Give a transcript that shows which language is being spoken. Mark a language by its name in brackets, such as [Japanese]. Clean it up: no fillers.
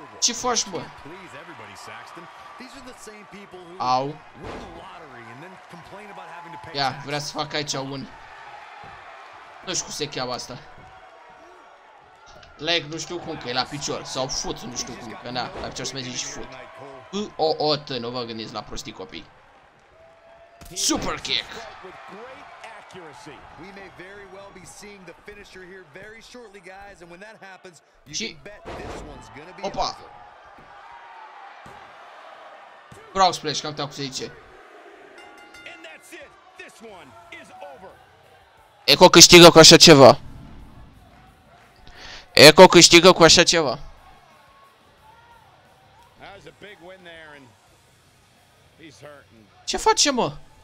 [English] Please everybody, Saxton. These are the same people who win the lottery and then complain about having to pay. [Romanian] Yeah, vrea să fac aici un... Nu știu cum se cheamă asta. Leg, nu știu cum, că e la picior. Sau foot, nu știu cum, că na, la picior se merge și foot. U-O-O-T, nu vă gândiți la prostii copii. [English] Super kick. With great accuracy. We may very well be seeing the finisher here very shortly, guys, and when that happens, you can bet this one's gonna be. Opa. Frog splash, [Romanian] cum te-au zice. [English] And that's it. This one is over. [Romanian] Echo câștigă cu așa ceva. Echo câștigă cu așa ceva. [English] That's a big win there and he's hurting. [Romanian] Ce face, mă?